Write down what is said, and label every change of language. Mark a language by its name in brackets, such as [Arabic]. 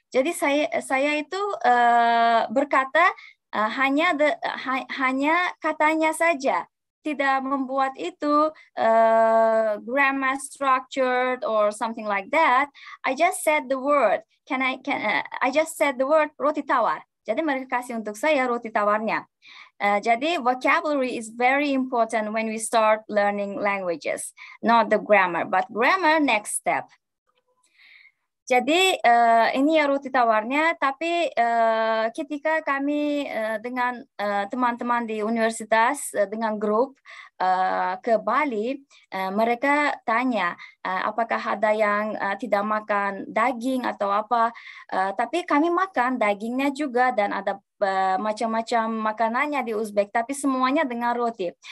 [Indonesian] Jadi saya itu berkata hanya katanya saja, tidak membuat itu [English] grammar structured or something like that. I just said the word. I just said the word roti tawar. [Indonesian] Jadi mereka kasih untuk saya roti tawarnya. [English] Jadi vocabulary is very important when we start learning languages. Not the grammar, but grammar next step. [Indonesian] Jadi ini ya roti tawarnya, tapi ketika kami dengan teman-teman di universitas dengan grup ke Bali, mereka tanya apakah ada yang tidak makan daging atau apa, tapi kami makan dagingnya juga dan ada macam-macam makanannya di Uzbek, tapi semuanya dengan roti.